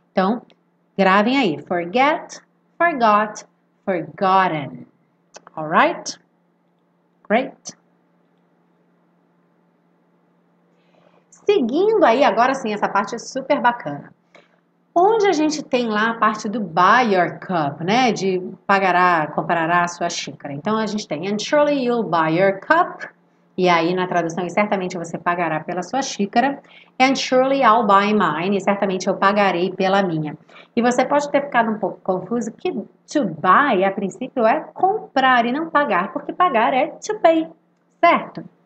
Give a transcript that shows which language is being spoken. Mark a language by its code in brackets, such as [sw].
[pt] Então, gravem aí: [en] forget, forgot, forgotten. All right? Great. [pt] Seguindo aí, agora sim, essa parte é super bacana. Onde a gente tem lá a parte do buy your cup, né? De pagará, comprará a sua xícara. Então a gente tem [en] and surely you'll buy your cup. [pt] E aí na tradução, e certamente você pagará pela sua xícara. [en] And surely I'll buy mine. [pt] E certamente eu pagarei pela minha. E você pode ter ficado um pouco confuso que to buy a princípio é comprar e não pagar, porque pagar é to pay, certo?